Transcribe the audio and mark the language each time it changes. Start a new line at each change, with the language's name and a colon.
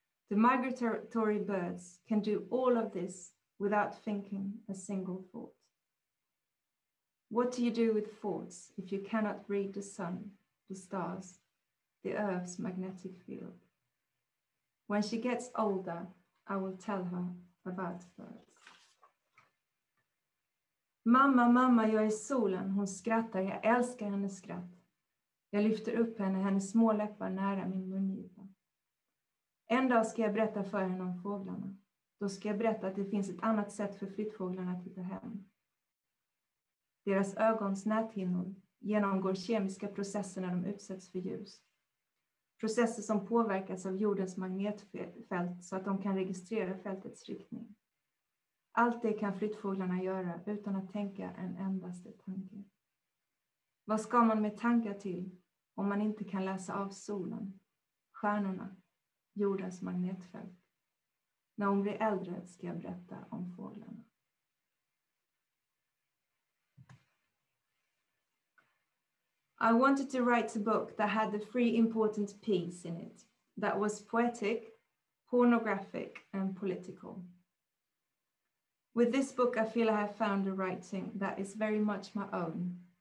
English: The migratory birds can do all of this without thinking a single thought. What do you do with thoughts if you cannot read the sun, the stars, the Earth's magnetic field? When she gets older, I will tell her about birds.
Swedish: Mamma, mamma, jag är solen. Hon skrattar, jag älskar hennes skratt. Jag lyfter upp henne, hennes små läppar nära min mungipa. En dag ska jag berätta för henne om fåglarna. Då ska jag berätta att det finns ett annat sätt för flyttfåglarna att hitta hem. Deras ögons näthinnor genomgår kemiska processer när de utsätts för ljus. Processer som påverkas av jordens magnetfält så att de kan registrera fältets riktning. Allt det kan flyttfåglarna göra utan att tänka en endaste tanke. Vad ska man med tankar till om man inte kan läsa av solen, stjärnorna, jordens magnetfält? När hon blir äldre ska jag berätta om fåglarna.
English: I wanted to write a book that had the three important P's in it, that was poetic, pornographic, and political. With this book, I feel I have found a writing that is very much my own.